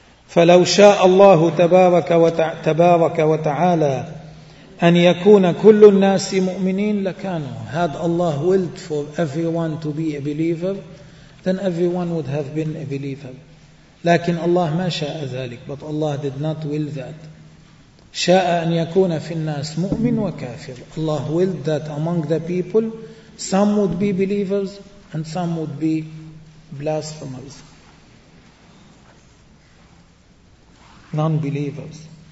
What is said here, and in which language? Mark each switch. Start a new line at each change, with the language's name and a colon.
Arabic: فَلَوْ شَاءَ اللَّهُ تَبَارَكَ وَتَعَالَىٰ أَنْ يَكُونَ كُلُّ النَّاسِ مُؤْمِنِينَ لَكَانُوا.
English: Had Allah willed for everyone to be a believer, then everyone would have been a believer.
Arabic: لكن الله ما شاء ذلك,
English: but Allah did not will that.
Arabic: شاء أن يكون في الناس مؤمن وكافر.
English: Allah willed that among the people, some would be believers and some would be blasphemers, non-believers.